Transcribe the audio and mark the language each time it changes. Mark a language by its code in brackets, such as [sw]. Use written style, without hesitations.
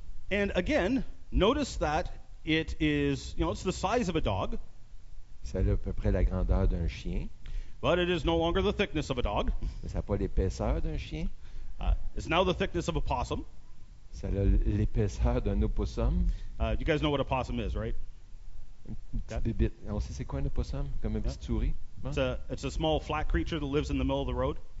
[en] And again, notice that it is, you know, it's the size of a dog. [fr] Ça a à peu près la grandeur d'un chien. [en] But it is no longer the thickness of a dog. [fr] Mais ça a pas l'épaisseur d'un chien. [en] It's now the thickness of a possum. [fr] Ça a l'épaisseur d'un opossum. [en] You guys know what a possum is, right? [fr] On sait c'est quoi un opossum? Comme une petite souris. [en] It's a small flat creature that lives in the middle of the road.